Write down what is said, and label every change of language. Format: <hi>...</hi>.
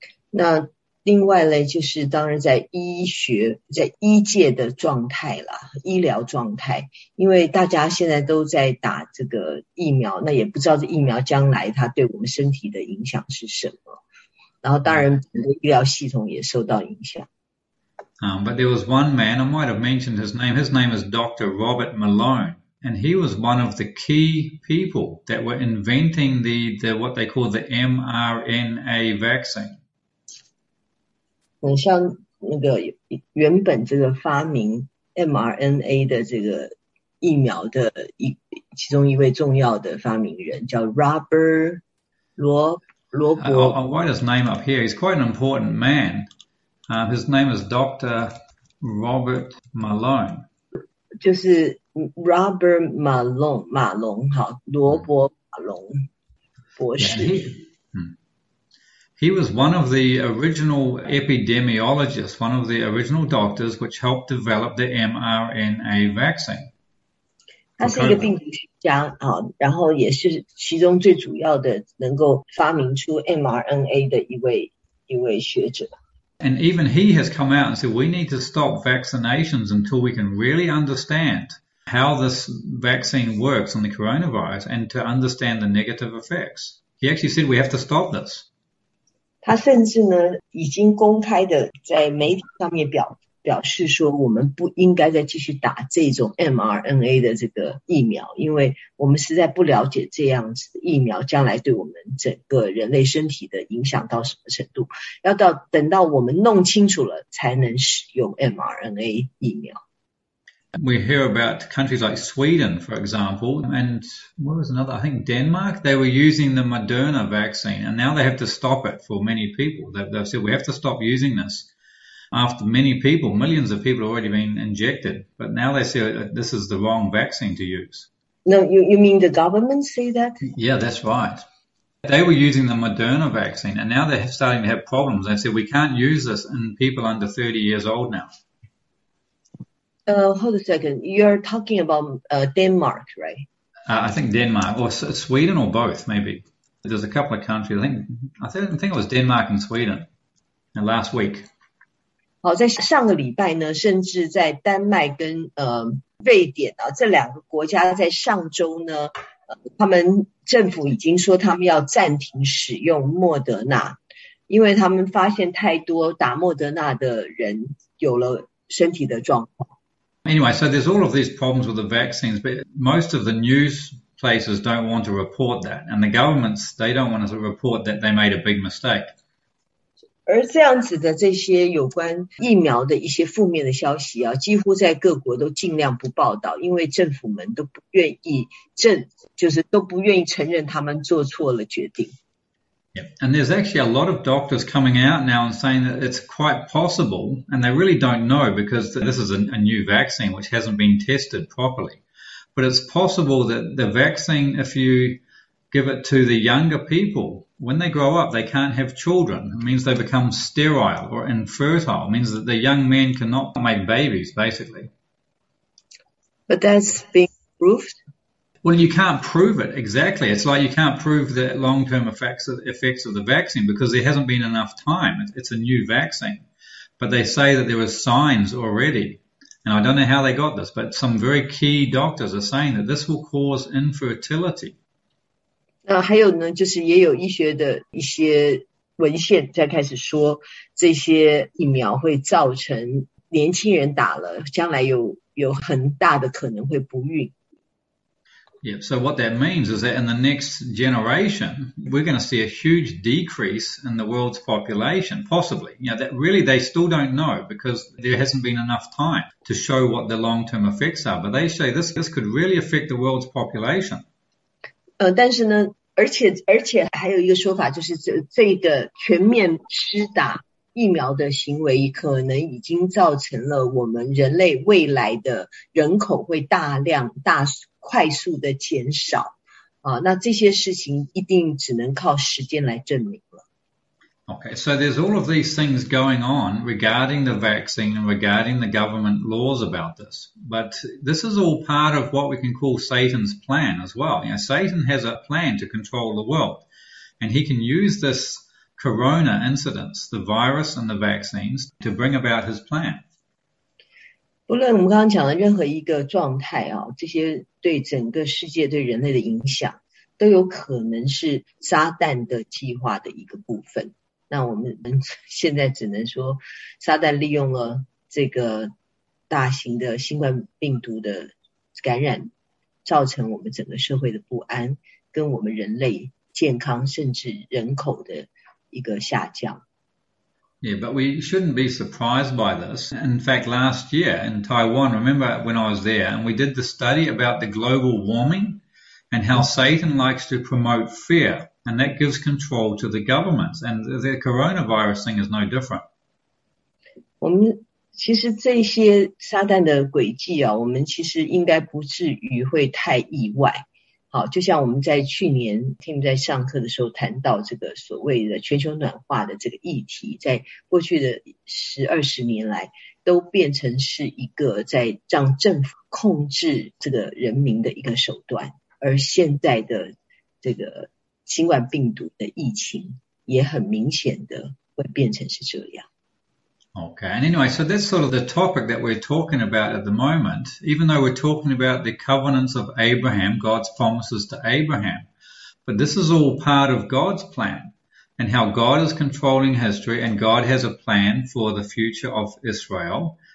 <zh>那另外呢，就是当然在医界的状态啦，医疗状态，因为大家现在都在打这个疫苗，那也不知道这疫苗将来它对我们身体的影响是什么，然后当然整个医疗系统也受到影响。</zh> <en>But there was one man, I might have mentioned his name. His name is Dr. Robert Malone, and he was one of the key people that were inventing the what they call the mRNA vaccine.</en> <zh>很像那个原本这个发明 mRNA 的这个疫苗的其中一位重要的发明人叫 Robert 罗伯。</zh> <en>I'll write his name up here. He's quite an important man. His name is Dr. Robert Malone.</en> <zh>就是 Robert 马龙，罗伯马龙博</zh> <en>Yeah,</en> <zh>士。</zh> <en>He was one of the original epidemiologists, one of the original doctors which helped develop the mRNA vaccine</en> <zh>他</zh> <en>for</en> <zh>是一个病</zh> <en>COVID.</en> <zh>毒学家啊，然后也是其中最主要的能够发明出 mRNA 的一位学者。</zh> <en>And even he has come out and said we need to stop vaccinations until we can really understand how this vaccine works on the coronavirus and to understand the negative effects. He actually said we have to stop this.</en> <zh>他甚至呢，已经公开的在媒体上面表示说，我们不应该再继续打这种 mRNA 的这个疫苗，因为我们实在不了解这样子的疫苗将来对我们整个人类身体的影响到什么程度，要到等到我们弄清楚了才能使用 mRNA 疫苗。</zh> <en>We hear about countries like Sweden, for example, and what was another? I think Denmark. They were using the Moderna vaccine, and now they have to stop it for many people. They've said we have to stop using this after many people, millions of people, have already been injected. But now they say this is the wrong vaccine to use. No, you mean the government say that? Yeah, that's right. They were using the Moderna vaccine, and now they're starting to have problems. They said we can't use this in people under 30 years old now. Hold a second. You're talking about Denmark, right? I think Denmark or Sweden or both, maybe. There's a couple of countries. I think it was Denmark and Sweden last week.</en> <zh>好，在上个礼拜呢，甚至在丹麦跟瑞典啊，这两个国家在上周呢，他们政府已经说他们要暂停使用莫德纳，因为他们发现太多打莫德纳的人有了身体的状况。</zh> <en>Anyway, so there's all of these problems with the vaccines, but most of the news places don't want to report that. And the governments, they don't want to report that they made a big mistake.</en> <zh>而这样子的这些有关疫苗的一些负面的消息啊，几乎在各国都尽量不报道，因为政府们都不愿意正，就是都不愿意承认他们做错了决定。</zh> <en>Yep. And there's actually a lot of doctors coming out now and saying that it's quite possible, and they really don't know because this is a new vaccine which hasn't been tested properly. But it's possible that the vaccine, if you give it to the younger people, when they grow up, they can't have children. It means they become sterile or infertile. It means that the young men cannot make babies, basically. But that's been proved. Well, you can't prove it exactly. It's like you can't prove the long-term effects of the vaccine because there hasn't been enough time. It's a new vaccine. But they say that there were signs already. And I don't know how they got this, but some very key doctors are saying that this will cause infertility.</en> <zh>还有呢，就是也有医学的一些文献在开始说，这些疫苗会造成年轻人打了，将来有很大的可能会不孕。</zh> <en>Yeah, so what that means is that in the next generation, we're going to see a huge decrease in the world's population, possibly. You know, that really they still don't know because there hasn't been enough time to show what the long-term effects are. But they say this could really affect the world's population.</en> <zh>但是呢，而且还有一个说法，就是这个全面施打疫苗的行为，可能已经造成了我们人类未来的人口会大量大快速的减少，那这些事情一定只能靠时间来证明。</zh> <en>Okay, so there's all of these things going on regarding the vaccine and regarding the government laws about this. But this is all part of what we can call Satan's plan as well. You know, Satan has a plan to control the world. And he can use this corona incidents, the virus and the vaccines, to bring about his plan.</en> <zh>不论我们刚刚讲的任何一个状态啊，这些对整个世界、对人类的影响，都有可能是撒旦的计划的一个部分。那我们现在只能说，撒旦利用了这个大型的新冠病毒的感染，造成我们整个社会的不安，跟我们人类健康甚至人口的一个下降。</zh> <en>Yeah, but we shouldn't be surprised by this. In fact, last year in Taiwan, remember when I was there, and we did the study about the global warming and how Satan likes to promote fear, and that gives control to the governments. And the coronavirus thing is no different.</en> <zh>我们其实这些撒旦的诡计啊，我们其实应该不至于会太意外。好，就像我们在去年听在上课的时候谈到这个所谓的全球暖化的这个议题，在过去的10、20年来，都变成是一个在让政府控制这个人民的一个手段，而现在的这个新冠病毒的疫情也很明显的会变成是这样。</zh> <en>Okay, and anyway, so that's sort of the topic that we're talking about at the moment, even though we're talking about the covenants of Abraham, God's promises to Abraham. But this is all part of God's plan and how God is controlling history, and God has a plan for the future of Israel.</en>